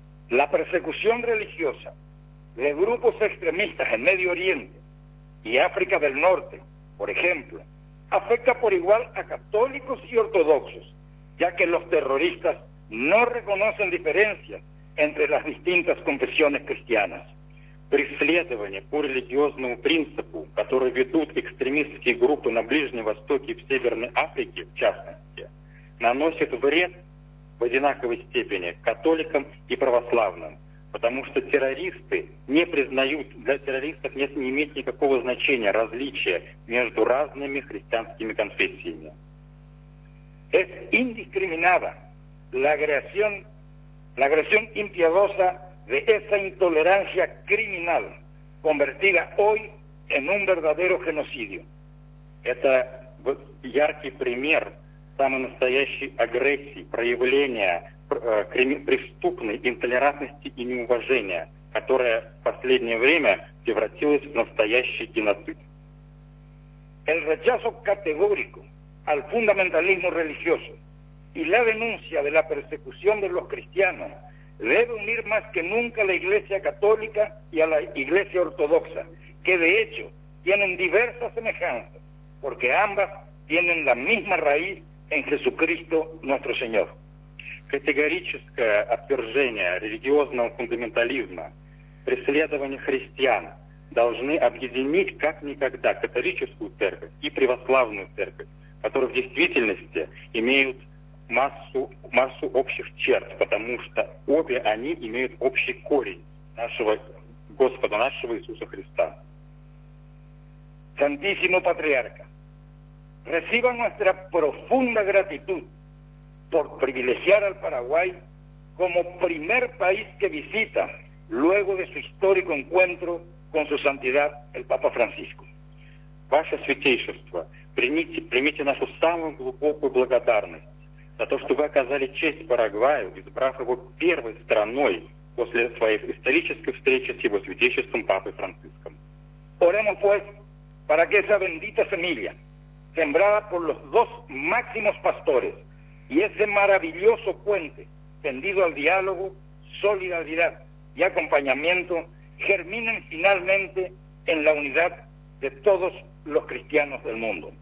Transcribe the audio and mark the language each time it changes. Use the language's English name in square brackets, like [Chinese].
[Spanish] La persecución religiosa de grupos extremistas en Medio Oriente y África del Norte, por ejemplo, afecta por igual a católicos y ortodoxos, ya que los terroristas no reconocen diferencias entre las distintas confesiones cristianas. [Russian] Преследования по религиозному принципу, которые ведут экстремистские группы на Ближнем Востоке и в Северной Африке, в частности, наносят вред в одинаковой степени католикам и православным, потому что террористы не признают, для террористов нет, не имеет никакого значения различия между разными христианскими конфессиями. [Spanish] Es indiscriminada la agresión impiedosa de esa intolerancia criminal convertida hoy en un verdadero genocidio. [Russian] Это яркий пример самой настоящей агрессии, проявления преступной интолерантности и неуважения, которая в последнее время превратилась в настоящий геноцид. [Spanish] El rechazo categórico al fundamentalismo religioso y la denuncia de la persecución de los cristianos debe unir más que nunca a la Iglesia Católica y a la Iglesia Ortodoxa, que de hecho tienen diversas semejanzas, porque ambas tienen la misma raíz en Jesucristo nuestro Señor. [Russian] Категорическое отвержение религиозного фундаментализма, преследование христиан должны объединить как никогда католическую церковь и православную церковь, которые в действительности имеют массу общих черт, потому что обе они имеют общий корень нашего Господа, нашего Иисуса Христа. [Spanish] Santísimo Patriarca, reciba nuestra profunda gratitud por privilegiar al Paraguay como primer país que visita luego de su histórico encuentro con su santidad el Papa Francisco. [Russian] Ваше святейшество, примите нашу самую глубокую благодарность за то, что вы оказали честь Парагваю, избрав его первой страной после своей исторической встречи с его святейшеством Папой Франциском. [Spanish] Oremos pues para que esa bendita semilla, sembrada por los dos máximos pastores, y ese maravilloso puente tendido al diálogo, solidaridad y acompañamiento, germinen finalmente en la unidad de todos los cristianos del mundo.